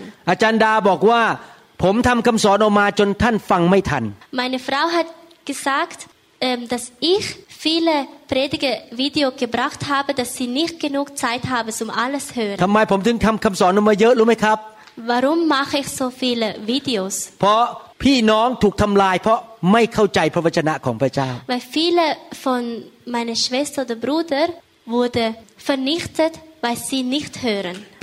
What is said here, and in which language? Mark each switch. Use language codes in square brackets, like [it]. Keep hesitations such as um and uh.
[th] อาจารย์ดาบอกว่าผมทำคำสอนออกมาจนท่านฟังไม่ทัน [de] Meine Frau hat gesagt dass ich viele predige video gebracht habe dass sie nicht genug zeit habe zum alles hören [th] ทำไ มผมถึงทำคำสอนออกมาเยอะรู้ไหมครับ [de] Warum mache ich so viele videos [th] เพราะพี่น้องถูกทำลาย เพราะไม่เข้าใจพระวจนะของพระเจ้า [de] Weil viele von meine Schwester oder Bruder wurde vernichtet, weil sie nicht hören.